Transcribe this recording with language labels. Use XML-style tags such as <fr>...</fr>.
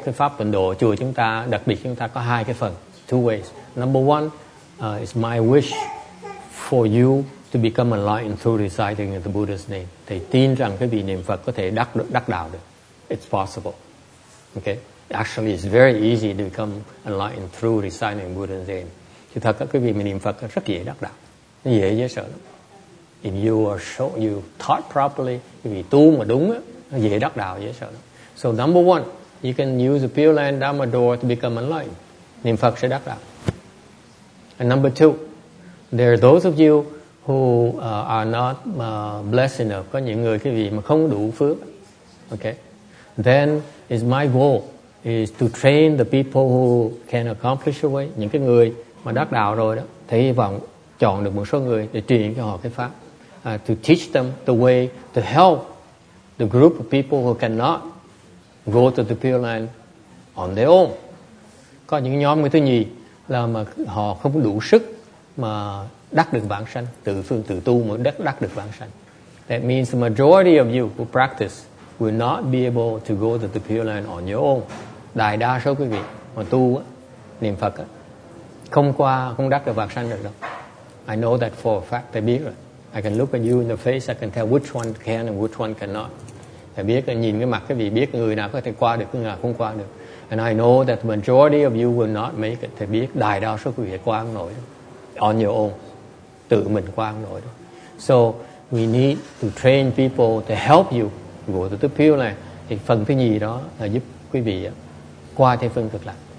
<vi>Cái pháp tịnh độ chùa chúng ta, đặc biệt chúng ta có hai cái phần,</vi> <en>two ways. Number one is my wish for you to become enlightened through reciting the Buddha's name.</en> <vi>Thầy tin rằng cái vị niệm Phật có thể đắc đạo được.</vi> <en>It's possible. Okay. Actually, it's very easy to become enlightened through reciting the Buddha's name.</en> <vi>Thì thật các cái vị niệm Phật rất dễ đắc đạo. Dễ sợ lắm.</vi> <en>If you are sure you taught properly,</en> <vi>cái vị tu mà đúng á, dễ đắc đạo, dễ sợ lắm.</vi> <en>So number one, you can use the Pure Land Dharma door to become enlightened.</en> <vi>Niệm Phật sẽ đắc đạo.</vi> <en>And number two, there are those of you who are not blessed enough,</en> <vi>có những người cái vị mà không đủ phước,</vi> <en>okay? Then is my goal is to train the people who can accomplish the way.</en> <vi>Những cái người mà đắc đạo rồi đó, thì hy vọng chọn được một số người để truyền cho họ cái pháp,</vi> <en>to teach them the way to help the group of people who cannot go to the Pure Land on their own.</en> <vi>Có những nhóm người thứ nhì là mà họ không đủ sức mà đắc được vãng sanh, tự phương tự tu mà đắc được vãng sanh.</vi> <en>That means the majority of you who practice will not be able to go to the Pure Land on your own.</en> <vi>Đại đa số quý vị mà tu niệm Phật không đắc được vãng sanh được đâu.</vi> <en>I know that for a fact.</en> <vi>Tôi biết rồi.</vi> <en>I can look at you in the face. I can tell which one can and which one cannot.</en> <vi>Tôi biết là nhìn cái mặt quý vị biết người nào có thể qua được, người nào không qua được.</vi> <en>And I know that the majority of you will not make it.</en> <vi>Tôi biết đại đa số quý vị qua không nổi đâu.</vi> <en>On your own,</en> <vi>tự mình qua không nổi đâu.</vi> <en>So we need to train people to help you go to the Pure Land.</en> <vi>Thì phần thứ nhì đó là giúp quý vị qua Tây Phương Cực Lạc.</vi>